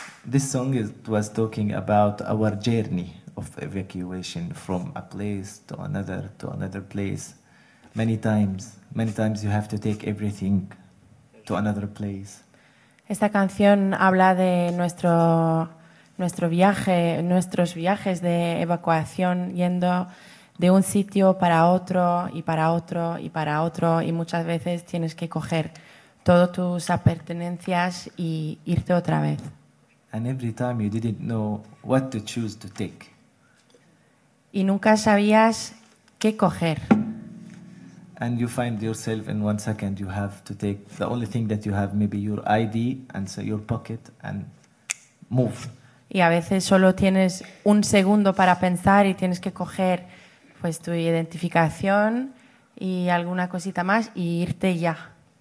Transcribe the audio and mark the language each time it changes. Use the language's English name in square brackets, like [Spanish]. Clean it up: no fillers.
[English] This song is, was talking about our journey of evacuation from a place to another place. Many times you have to take everything to another place. [Spanish] Esta canción habla de nuestro viaje, nuestros viajes de evacuación yendo de un sitio para otro y para otro y para otro y muchas veces tienes que coger todas tus pertenencias y irte otra vez. [English] And every time you didn't know what to choose to take. [Spanish] Y nunca sabías qué coger. [English] And you find yourself in one second you have to take the only thing that you have, maybe your ID and so your pocket and move. [Spanish] Y a veces solo tienes un segundo para pensar y tienes que coger pues tu identificación y alguna cosita más y irte ya.